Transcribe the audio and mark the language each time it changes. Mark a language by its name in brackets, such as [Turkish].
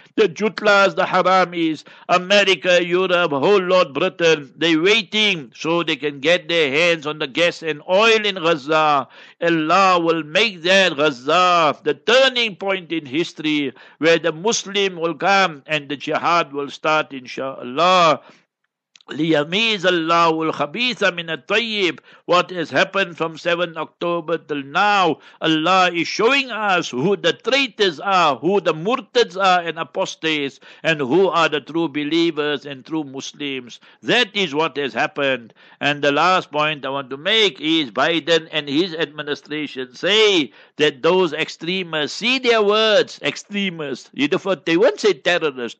[English] The Jutlas, the Haramis, America, Europe, whole lot, Britain, they waiting so they can get their hands on the gas and oil in Gaza. Allah will make that Gaza the turning point in history where the Muslim will come and the jihad will start, inshallah. [Arabic] ليميز الله الخبيث من الطيب. [English] What has happened from 7 October till now, Allah is showing us who the traitors are, who the murtads are and apostates, and who are the true believers and true Muslims. That is what has happened. And the last point I want to make is Biden and his administration say that those extremists, see their words, extremists, they won't say terrorists.